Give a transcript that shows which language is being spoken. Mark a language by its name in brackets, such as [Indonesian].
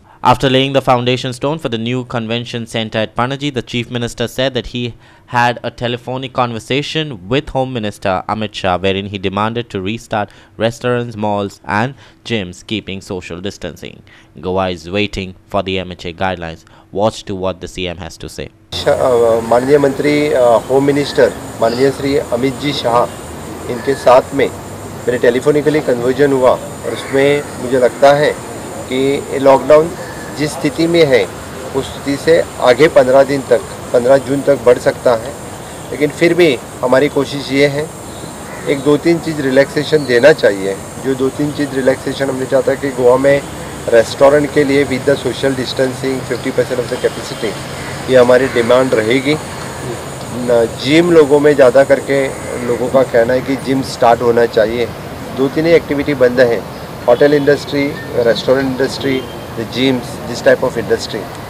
[English] After laying the foundation stone for the new convention centre at Panaji, the Chief Minister said that he had a telephonic conversation with Home Minister Amit Shah, wherein he demanded to restart restaurants, malls and gyms, keeping social distancing. Goa is waiting for the MHA guidelines. Watch to what the CM has to say. [Hindi] Maniya Mantri, Home Minister, Maniya Sri Amit Ji Shah, inke saath mein, mere telephonically conversion hua, aur usme mujhe lagta hai ki lockdown जिस स्थिति में है उस स्थिति से आगे 15 दिन तक 15 जून तक बढ़ सकता है, लेकिन फिर भी हमारी कोशिश ये है एक दो तीन चीज़ रिलैक्सेशन देना चाहिए। जो दो तीन चीज़ रिलैक्सेशन हमने चाहता है कि गोवा में रेस्टोरेंट के लिए [English] with the social distancing 50% of the capacity, [Hindi] ये हमारी डिमांड रहेगी। जिम लोगों में ज़्यादा करके लोगों का कहना है कि जिम स्टार्ट होना चाहिए। दो तीन ही एक्टिविटी बंद है, hotel industry, restaurant industry, gyms, [English] This type of industry.